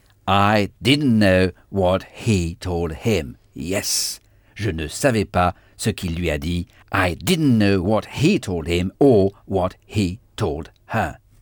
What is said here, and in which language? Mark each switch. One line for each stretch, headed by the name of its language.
English: I didn't know what he told him. Yes.
French: Je ne savais pas ce qu'il lui a dit.
English: I didn't know what he told him or what he told her.